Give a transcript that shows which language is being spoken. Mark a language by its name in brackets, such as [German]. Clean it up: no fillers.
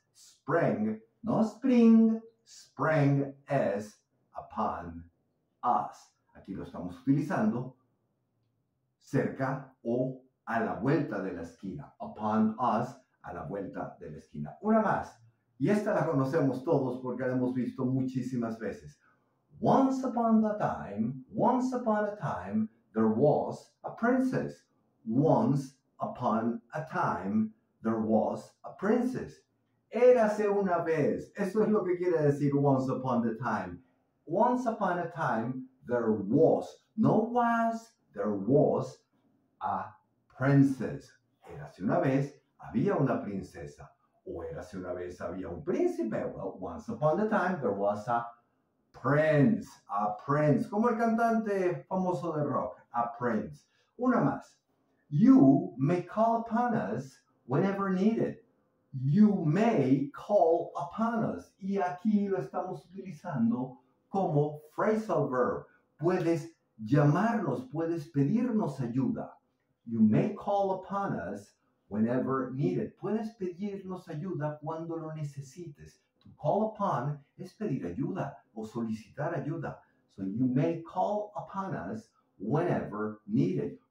[English] Spring, no spring, spring is upon us. [Spanish] Aquí lo estamos utilizando cerca o a la vuelta de la esquina. [English] Upon us, [Spanish] a la vuelta de la esquina. Una más. Y esta la conocemos todos porque la hemos visto muchísimas veces. [English] Once upon a time, there was a princess. Once upon a time, there was a princess. [Spanish] Érase una vez. Eso es lo que quiere decir [English] once upon a time. Once upon a time, there was, no was, there was a princess. [Spanish] Érase una vez, había una princesa. O érase una vez, había un príncipe. [English] Well, once upon a time, there was a prince, [Spanish] como el cantante famoso de rock, [English] a prince. [Spanish] Una más. [English] You may call upon us whenever needed. You may call upon us. [Spanish] Y aquí lo estamos utilizando como phrasal verb. Puedes llamarnos, puedes pedirnos ayuda. [English] You may call upon us whenever needed. [Spanish] Puedes pedirnos ayuda cuando lo necesites. [English] To call upon [Spanish] es pedir ayuda o solicitar ayuda. [English] So you may call upon us whenever needed.